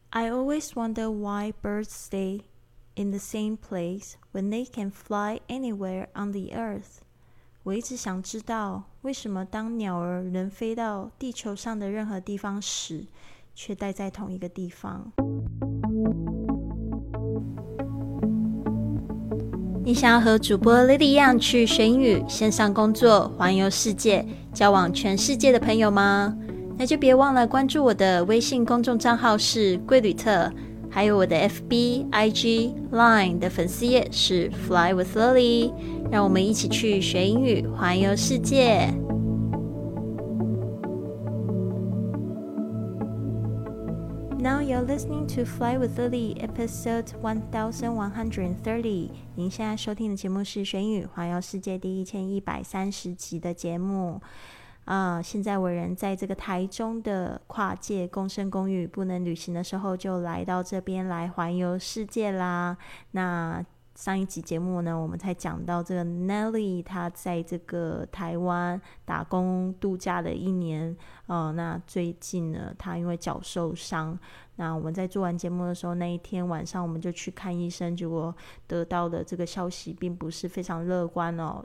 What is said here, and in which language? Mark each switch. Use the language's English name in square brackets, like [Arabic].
[English] I always wonder why birds stay in the same place when they can fly anywhere on the earth. [Chinese] 我一直想知道为什么当鸟儿能飞到地球上的任何地方时，却待在同一个地方。你想要和主播 Lily 一样去学英语、线上工作、环游世界、交往全世界的朋友吗？那就别忘了关注我的微信公众账号是贵旅特，还有我的 FB、IG、Line 的粉丝页是 Fly with Lily， 让我们一起去学英语、环游世界。 [English] Now you're listening to Fly with Lily, episode 1130. [Chinese] 您现在收听的节目是《学英语环游世界》第1130集的节目。现在我人在这个台中的跨界共生公寓，不能旅行的时候就来到这边来环游世界啦。那上一集节目呢，我们才讲到这个 Nelly 她在这个台湾打工度假的一年，那最近呢她因为脚受伤，那我们在做完节目的时候，那一天晚上我们就去看医生，结果得到的这个消息并不是非常乐观哦。